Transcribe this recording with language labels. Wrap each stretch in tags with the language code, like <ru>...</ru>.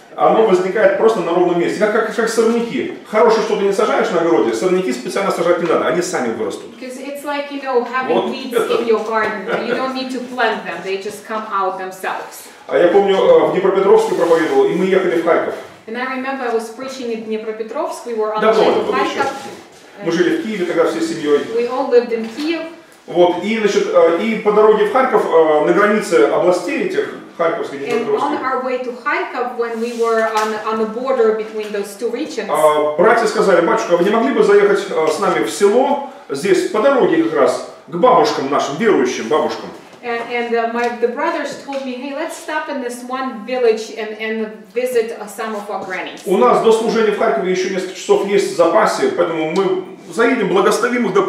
<ru>Оно возникает просто на ровном месте, как сорняки. Хорошее что-то не сажаешь на огороде, сорняки специально сажать не надо, они сами вырастут.</ru> <en>It's like, you know, having weeds in your garden. You don't need to plant them. They just come out themselves.</en> <ru>А я помню, в Днепропетровске проповедовал, и мы ехали в Харьков.</ru> <en>And I remember I was preaching in Днепропетровск. We were on the way to Харьков.</en> <ru>Мы жили в Киеве тогда всей семьей.</ru> <en>We all lived in Kiev.</en> <ru>Вот, и, значит, и по дороге в Харьков, на границе областей этих,</ru> <en>And on our way to Kharkov, when we were on the border between those two regions,</en> <ru>братья сказали, батюшка, вы не могли бы заехать с нами в село здесь по дороге как раз к бабушкам нашим верующим бабушкам?</ru> <en>And the brothers told me, hey, let's stop in this one village and visit some of our grannies.</en> <ru>У нас до служения в Харькове еще несколько часов есть в запасе, поэтому мы заедем, благословим их до.</ru>